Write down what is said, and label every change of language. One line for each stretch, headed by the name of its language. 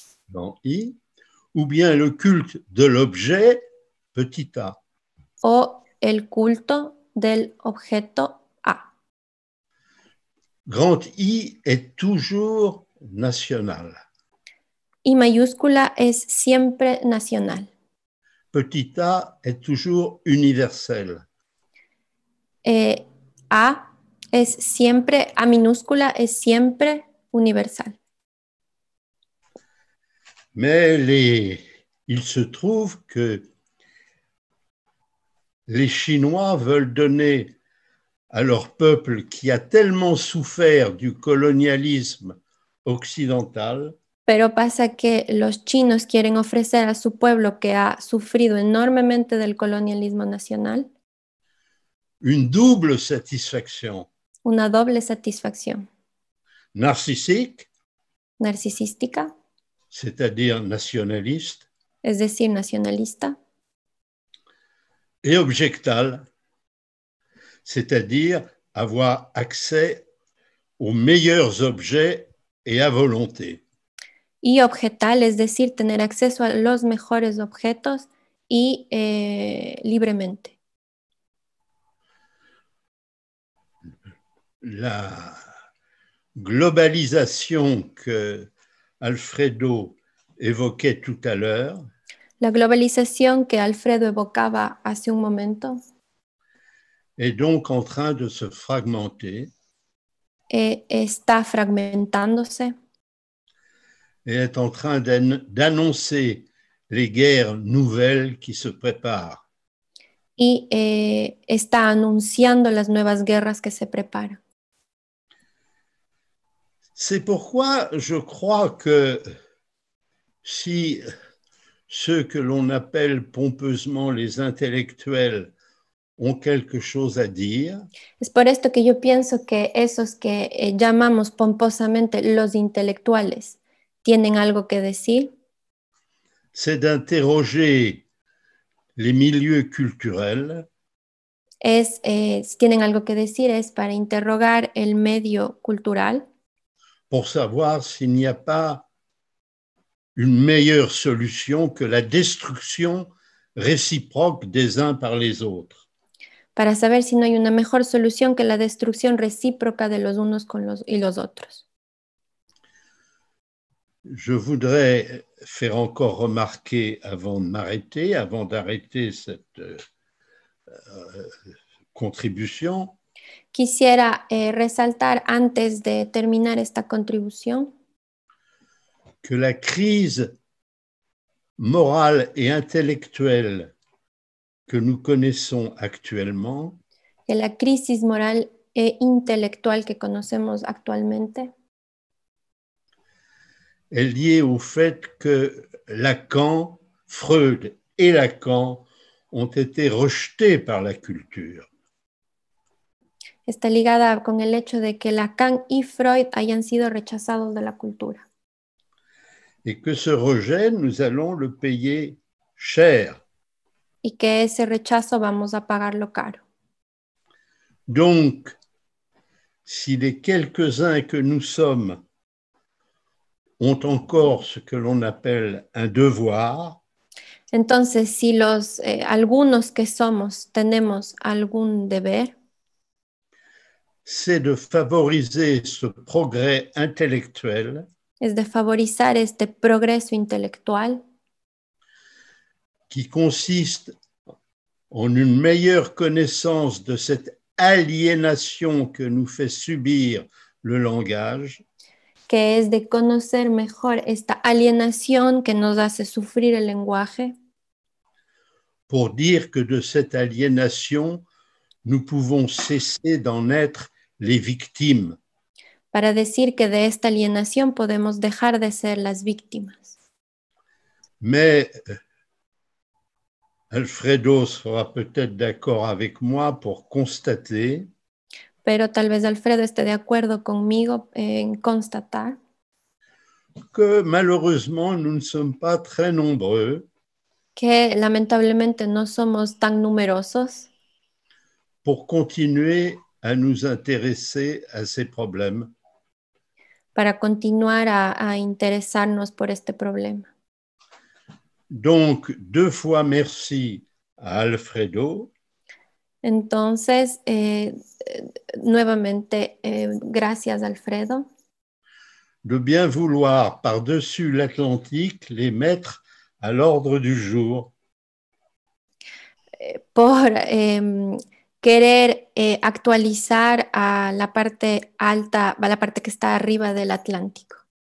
French: Grand I, ou bien le culte de l'objet petit a.
Spanish: O el culto del objeto A.
French: Grand I est toujours national.
Spanish: I mayúscula es siempre nacional.
French: Petit a est toujours universel.
Spanish: A es siempre, a minúscula es siempre universal.
French: Mais il se trouve que les Chinois veulent donner à leur peuple qui a tellement souffert du colonialisme occidental.
Spanish: Pero pasa que los chinos quieren ofrecer a su pueblo que ha sufrido enormemente del colonialismo nacional.
French: Une double satisfaction.
Spanish: Una doble satisfacción.
French: Narcissique.
Spanish: Narcisística.
French: C'est-à-dire nationaliste.
Spanish: Es decir, nacionalista.
French: Et objectal. C'est-à-dire avoir accès aux meilleurs objets et à volonté.
Spanish: Y objetal, es decir, tener acceso a los mejores objetos y libremente. La globalización que
French: Alfredo évoquait tout à l'heure.
Spanish: La globalización que Alfredo evocaba hace un momento.
French: Est donc en train de se fragmenter.
Spanish: Está fragmentándose.
French: Et est en train d'annoncer les guerres nouvelles qui se préparent.
Spanish: Y está anunciando las nuevas guerras que se preparan.
French: C'est pourquoi je crois que si ceux que l'on appelle pompeusement les intellectuels ont quelque chose à dire.
Spanish: Es por esto que yo pienso que esos que llamamos pomposamente los intelectuales tienen algo que decir.
French: C'est d'interroger les milieux culturels.
Spanish: Tienen algo que decir, es para interrogar el medio cultural.
French: Pour savoir s'il n'y a pas une meilleure solution que la destruction réciproque des uns par les autres.
Spanish: Para saber si no hay una mejor solución que la destrucción recíproca de los unos con los y los otros.
French: Je voudrais faire encore remarquer avant d'arrêter cette contribution.
Spanish: Quisiera resaltar antes de terminar esta contribución
French: que la crise morale et intellectuelle que nous connaissons actuellement,
Spanish: que la crisis moral e intelectual que conocemos actualmente,
French: est liée au fait que Lacan, Freud et Lacan ont été rejetés par la culture.
Spanish: Está ligada con el hecho de que Lacan y Freud hayan sido rechazados de la cultura.
French: Et que ce rejet, nous allons le payer cher.
Spanish: Y que ese rechazo vamos a pagarlo caro.
French: Donc, si les quelques-uns que nous sommes ont encore ce que l'on appelle un devoir.
Spanish: Entonces, si los algunos que somos tenemos algún deber,
French: c'est de favoriser ce progrès intellectuel.
Spanish: Es de favorizar este progreso intelectual
French: qui consiste en une meilleure connaissance de cette aliénation que nous fait subir le langage.
Spanish: Que es de conocer mejor esta alienación que nos hace sufrir el lenguaje.
French: Pour dire que de cette aliénation, nous pouvons cesser d'en être les victimes.
Spanish: Para decir que de esta alienación podemos dejar de ser las víctimas.
French: Mais Alfredo sera peut-être d'accord avec moi pour constater.
Spanish: Pero tal vez Alfredo esté de acuerdo conmigo en constatar.
French: que malheureusement nous ne sommes pas très nombreux.
Spanish: Que lamentablemente no somos tan numerosos.
French: Pour continuer à nous intéresser à ces problèmes.
Spanish: Para continuar a interesarnos por este problema.
French: Donc, deux fois merci à Alfredo.
Spanish: Entonces, nuevamente, gracias Alfredo.
French: De bien vouloir par-dessus l'Atlantique les mettre à l'ordre du jour.
Spanish: Por querer actualizar a la parte alta, a la parte que está arriba del Atlántico.